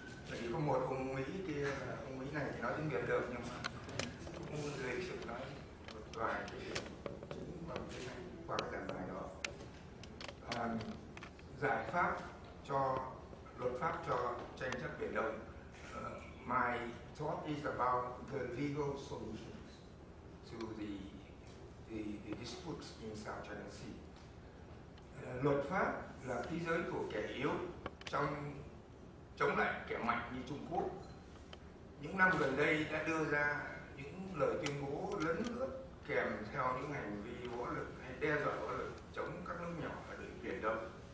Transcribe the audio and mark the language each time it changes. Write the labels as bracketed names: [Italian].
[Vietnamese] Tại vì có một ông Mỹ kia, ông Mỹ này thì nói tiếng Việt được, nhưng mà cũng gây sự nói một vài cái chính bằng tiếng Anh qua cái giải bài đó. Giải pháp cho, luật pháp cho tranh chấp Biển Đông. [English] My thought is about the legal solutions to the disputes in South China Sea. [Vietnamese] Luật pháp là thế giới của kẻ yếu trong chống lại kẻ mạnh như Trung Quốc. Những năm gần đây đã đưa ra những lời tuyên bố lấn lướt kèm theo những hành vi võ lực hay đe dọa võ lực chống các nước nhỏ ở Biển Đông.